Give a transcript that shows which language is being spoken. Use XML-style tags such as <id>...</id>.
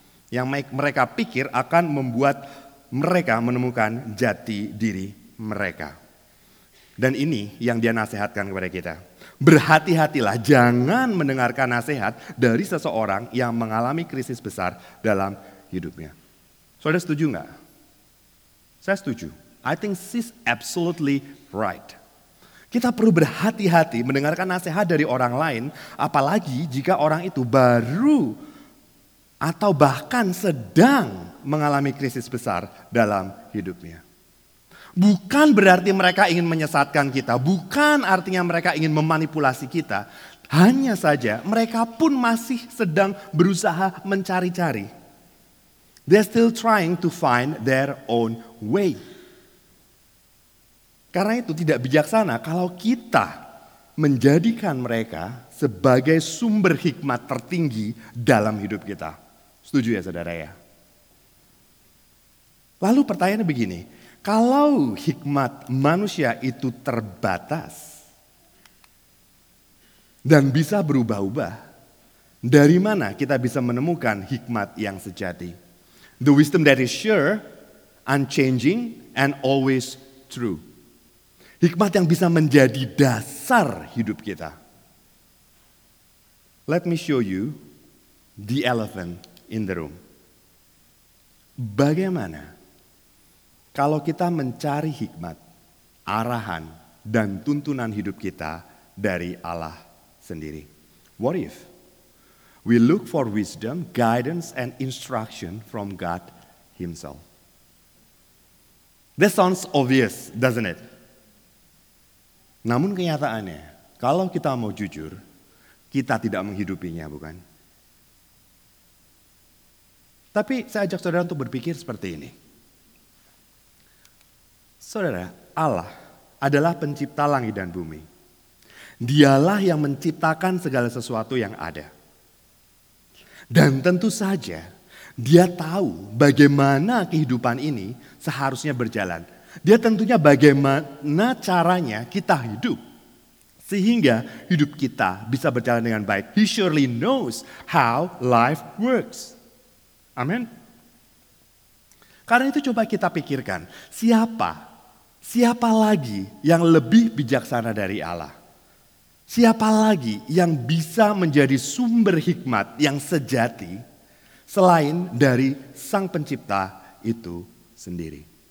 <id>Yang mereka pikir akan membuat mereka menemukan jati diri mereka. Dan ini yang dia nasihatkan kepada kita. Berhati-hatilah, jangan mendengarkan nasihat dari seseorang yang mengalami krisis besar dalam hidupnya. Saudara setuju enggak? Saya setuju.</id> <en>I think she's absolutely right.</en> <id>Kita perlu berhati-hati mendengarkan nasihat dari orang lain, apalagi jika orang itu baru atau bahkan sedang mengalami krisis besar dalam hidupnya. Bukan berarti mereka ingin menyesatkan kita, bukan artinya mereka ingin memanipulasi kita, hanya saja mereka pun masih sedang berusaha mencari-cari.</id> <en>They're still trying to find their own way.</en> <id>Karena itu tidak bijaksana kalau kita menjadikan mereka sebagai sumber hikmat tertinggi dalam hidup kita. Setuju ya saudara ya? Lalu pertanyaannya begini, kalau hikmat manusia itu terbatas dan bisa berubah-ubah, dari mana kita bisa menemukan hikmat yang sejati?</id> <en>The wisdom that is sure, unchanging, and always true.</en> <id>Hikmat yang bisa menjadi dasar hidup kita.</id> <en>Let me show you the elephant in the room.</en> <id>Bagaimana kalau kita mencari hikmat, arahan, dan tuntunan hidup kita dari Allah sendiri?</id> <en>What if? We look for wisdom, guidance, and instruction from God Himself. That sounds obvious, doesn't it?</en> <id>Namun kenyataannya, kalau kita mau jujur, kita tidak menghidupinya, bukan? Tapi saya ajak saudara untuk berpikir seperti ini. Saudara, Allah adalah pencipta langit dan bumi. Dialah yang menciptakan segala sesuatu yang ada. Dan tentu saja, Dia tahu bagaimana kehidupan ini seharusnya berjalan. Dia tentunya bagaimana caranya kita hidup. Sehingga hidup kita bisa berjalan dengan baik.</id> <en>He surely knows how life works.</en> <id>Amin. Karena itu coba kita pikirkan, siapa lagi yang lebih bijaksana dari Allah? Siapa lagi yang bisa menjadi sumber hikmat yang sejati selain dari Sang Pencipta itu sendiri?</id>